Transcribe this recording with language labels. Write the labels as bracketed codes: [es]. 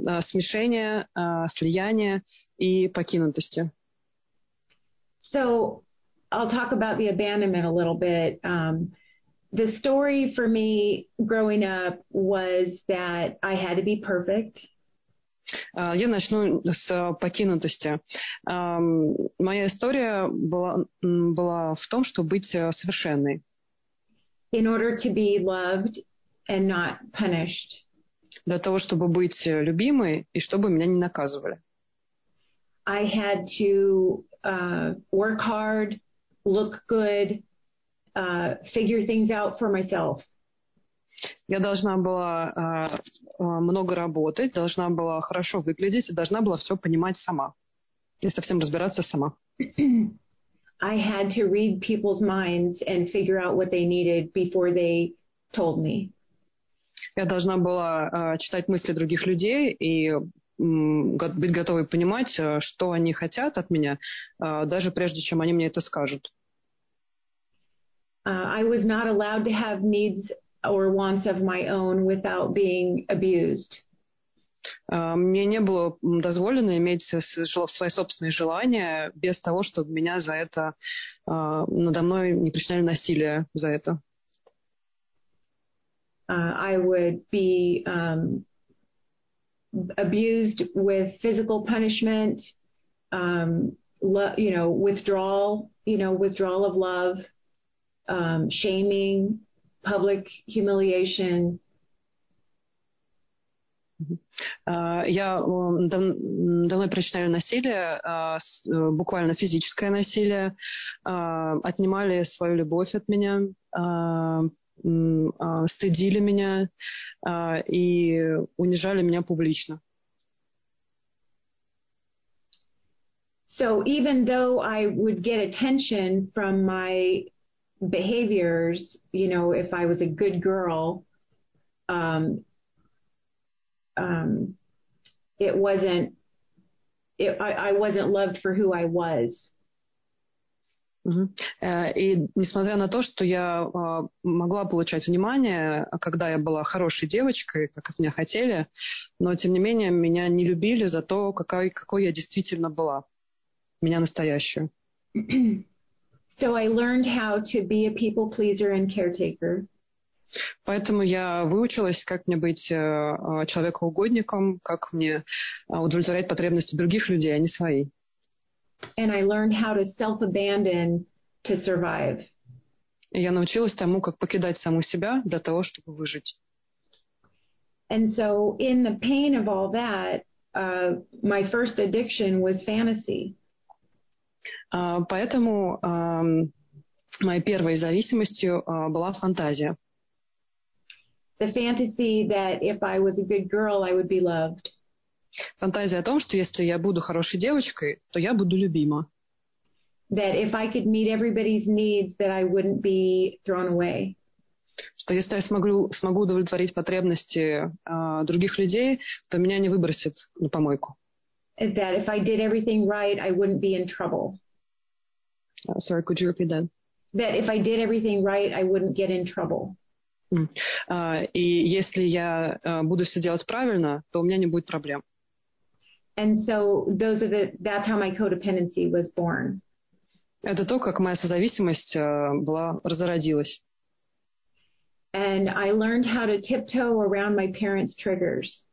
[ru] Смешение, слияние и покинутости. [en] So, I'll talk about the abandonment a little bit. The story for me growing up was that I had to be perfect. [ru] Я начну с покинутости. Моя история была в том, чтобы быть совершенной. [en] In order to be loved and not punished. [ru] Для того, чтобы быть любимой и чтобы меня не наказывали. [en] I had to work hard, look good, figure things out for myself. [ru] Я должна была много работать, должна была хорошо выглядеть и должна была все понимать сама и со всем разбираться сама. [en] I had to read people's minds and figure out what they needed before they told me. [ru] Я должна была читать мысли других людей и быть готовой понимать, что они хотят от меня, даже прежде, чем они мне это скажут. [en] I was not allowed to have needs or wants of my own without being abused. [ru] Мне не было дозволено иметь свои собственные желания без того, чтобы меня за это, надо мной не причиняли насилие за это. [en] I would be abused with physical punishment, withdrawal, withdrawal of love, shaming, public humiliation. [ru] Я давно причиняю насилие, буквально физическое насилие. Отнимали свою любовь от меня, стыдили меня и унижали меня публично. [en] So even though I would get attention from my behaviors, you know, if I was a good girl, I wasn't loved for who I was. [ru] И несмотря на то, что я могла получать внимание, когда я была хорошей девочкой, как от меня хотели, но тем не менее меня не любили за то, какой я действительно была, меня настоящую. [en] So I learned how to be a people pleaser and caretaker. [ru] Поэтому я выучилась, как мне быть человекоугодником, как мне удовлетворять потребности других людей, а не свои. [en] And I learned how to self-abandon to survive. [ru] И я научилась тому, как покидать саму себя для того, чтобы выжить. [en] And so in the pain of all that, my first addiction was fantasy. [ru] Поэтому моей первой зависимостью была фантазия. [en] The fantasy that if I was a good girl, I would be loved. [ru] Фантазия о том, что если я буду хорошей девочкой, то я буду любима. [en] That if I could meet everybody's needs, that I wouldn't be thrown away. [ru] Что если я смогу удовлетворить потребности других людей, то меня не выбросят на помойку. [en] That if I did everything right, I wouldn't be in trouble. Sorry, could you repeat that? That if I did everything right, I wouldn't get in trouble. [ru] И если я буду все делать правильно, то у меня не будет проблем. [en] And so that's how my codependency was born. [ru] Это то, как моя созависимость разродилась. [en] And I learned how to tiptoe around my parents' triggers.